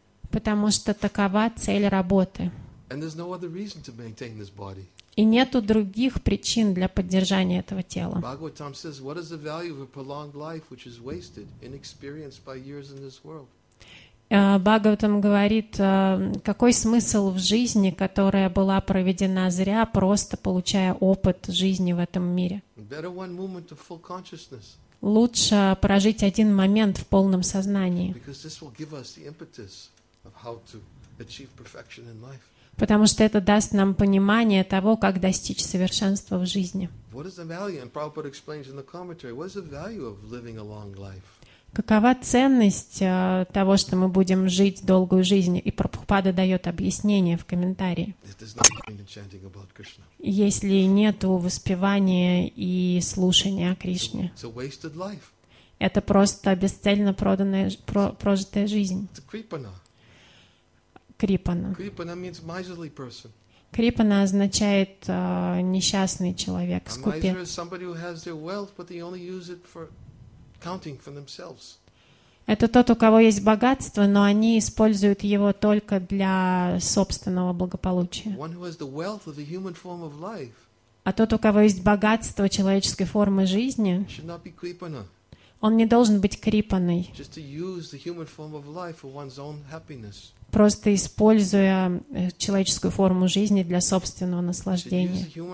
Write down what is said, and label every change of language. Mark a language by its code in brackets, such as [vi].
[ru] Потому что такова цель работы. [en] No, [ru] и нету других причин для поддержания этого тела. [en] Бхагаватам says, what is the value of a prolonged life which is wasted, inexperienced by years in this world? [ru] Бхагаватам говорит, какой смысл в жизни, которая была проведена зря, просто получая опыт жизни в этом мире? [en] Better one moment of full consciousness. [ru] Лучше прожить один момент в полном сознании. [en] Because this will give us the impetus of how to achieve perfection in life. [ru] Потому что это даст нам понимание того, как достичь совершенства в жизни. [en] What is the value? And Prabhupada explains in the commentary, what is the value of living a long life? [ru] Какова ценность того, что мы будем жить долгую жизнь? И Прабхупада дает объяснение в комментарии. [en] It is not going to be chanting about Krishna. [ru] Если нету воспевания и слушания о Кришне. [en] It's a wasted life. [ru] Это просто бесцельно прожитая жизнь. [sa] Крипана. Крипана. [en] Крипана means miserly person. [ru] Крипана означает несчастный человек, скупец. [en] A miser is somebody who has their wealth, but they only use it for counting for themselves. [ru] Это тот, у кого есть богатство, но они используют его только для собственного благополучия. [en] One who has the wealth of the human form of life. [ru] А тот, у кого есть богатство человеческой формы жизни, [en] should not be крипана. [ru] Он не должен быть крипаной. [en] Just to use the human form of life for one's own happiness. [ru] Просто используя человеческую форму жизни для собственного наслаждения.